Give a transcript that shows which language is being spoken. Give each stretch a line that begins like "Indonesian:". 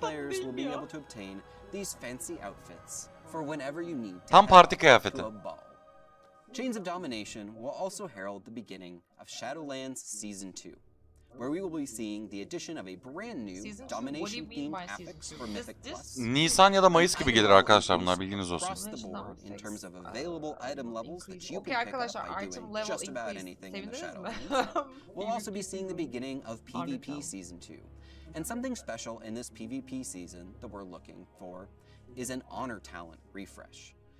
English: players will be able to obtain these fancy outfits for whenever you need
Turkish: to. Tam parti kıyafeti.
English: Chains of Domination will also herald the beginning of Shadowlands Season 2. where we will be seeing the addition of a brand new domination themed epics for Mythic Plus.
Turkish: Nisan ya da Mayıs gibi gelir arkadaşlar bunlar bilginiz olsun.
English: In terms of available item levels that you can pick up by doing just about anything in the Shadow Realm. We'll also be seeing the beginning of PvP Season 2. And something special in this PvP season that we're looking for is an honor talent refresh.